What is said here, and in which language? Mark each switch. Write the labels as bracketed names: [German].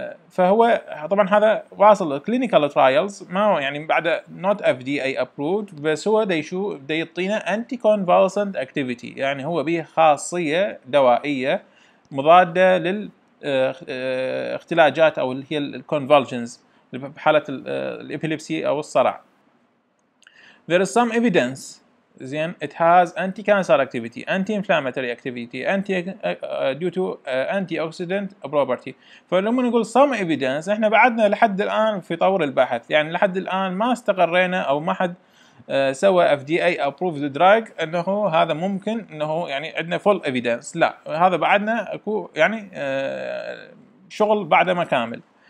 [Arabic] فهو طبعا هذا واصل [English] clinical trials [Arabic] ما يعني بعد [English] not FDA approved [Arabic] بس هو دا يشو دا يطينا [English] anti-convulsant activity [Arabic] يعني هو به خاصية دوائية مضادة لل اختلاجات او اللي هي الكونفولجنز بحالة الابيليبسي او الصرع. [English] There is some evidence then it has anti-cancer activity, anti-inflammatory activity, due to antioxidant property. [Arabic] فلما نقول [English] some evidence [Arabic] احنا بعدنا لحد الان في طور البحث يعني لحد الان ما استقرينا او ما حد سوى [English] FDA approved drug [Arabic] انه هذا ممكن انه يعني عندنا [English] full evidence. [Arabic] لا هذا بعدنا اكو يعني شغل بعد ما كامل.